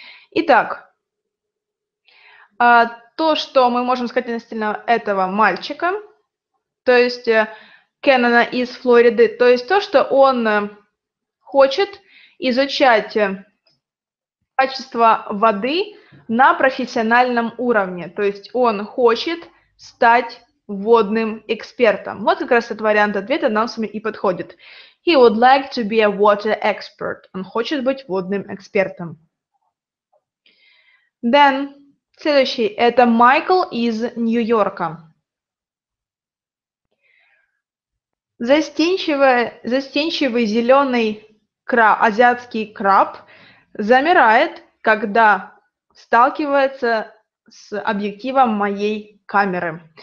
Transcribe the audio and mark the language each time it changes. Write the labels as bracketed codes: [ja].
[ru] Итак, то, что мы можем сказать относительно этого мальчика, то есть Кеннона из Флориды, то есть то, что он хочет изучать качество воды на профессиональном уровне, то есть он хочет стать водным экспертом. Вот как раз этот вариант ответа нам с вами и подходит. [en] He would like to be a water expert. [ru] Он хочет быть водным экспертом. Then, следующий, это Майкл из Нью-Йорка. Застенчивый зеленый краб, азиатский краб, замирает, когда сталкивается с объективом моей камеры.